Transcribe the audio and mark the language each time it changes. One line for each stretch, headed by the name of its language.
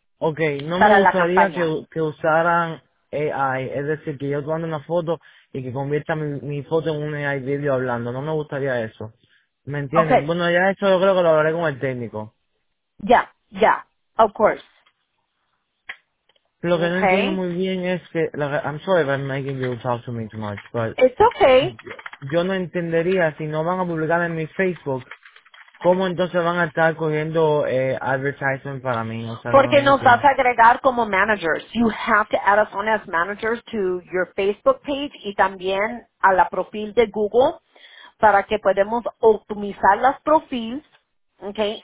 Spanish: Okay, no me gustaría que usaran AI, es decir, que yo tomando una foto... y que convierta mi foto en un AI video hablando. No me gustaría eso. ¿Me entiendes?
English: Okay.
Spanish: Bueno, ya eso yo creo que lo hablaré con el técnico.
English: Yeah, of course.
Spanish: Lo que no entiendo muy bien es que...
English: I'm sorry if I'm making you talk to me too much, but... It's okay.
Spanish: Yo no entendería, si no van a publicar en mi Facebook, ¿cómo entonces van a estar cogiendo advertisement para mí? O sea, porque no nos vas a agregar como managers.
English: You have to add us on as managers to your Facebook page
Spanish: y también a la profil de Google para que podamos optimizar las profiles.
English: Okay?